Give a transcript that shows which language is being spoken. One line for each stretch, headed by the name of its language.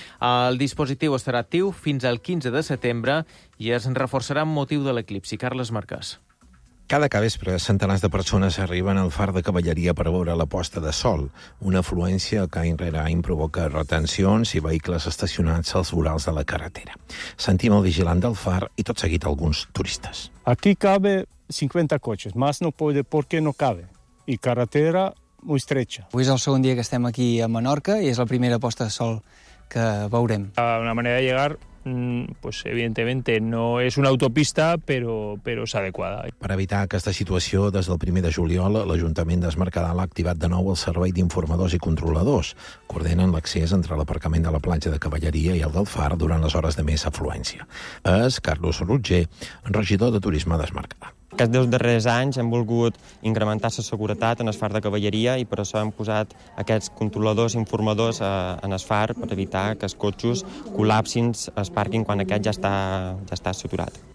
Catalan: El dispositiu estarà actiu fins al 15 de setembre i es reforçarà amb motiu de l'eclipsi. Carles Marquès. Cada capvespre, centenars de persones arriben al far de Cavalleria per veure la posta de sol, una afluència que any rere any provoca retencions i vehicles estacionats als vorals de la carretera. Sentim el vigilant del far i tot seguit alguns turistes.
Spanish: Aquí cabe 50 cotxes, más no puede porque no cabe. I carretera muy estrecha.
Catalan: Avui és el segon dia que estem aquí a Menorca i és la primera posta de sol que veurem.
Spanish: Una manera de llegar, pues evidentemente no es una autopista, pero es adecuada.
Catalan: Per evitar aquesta situació, des del 1 de juliol, l'Ajuntament d'Es Mercadal ha activat de nou el servei d'informadors i controladors, que ordenen l'accés entre l'aparcament de la platja de Cavalleria i el del Far durant les hores de més afluència. És Carlos Roger, regidor de Turisme d'Es Mercadal. Aquests dos darrers anys hem volgut incrementar la seguretat en el far de Cavalleria i per això hem posat aquests controladors informadors en el far per evitar que els cotxes col·lapsin el pàrquing quan aquest ja està saturat.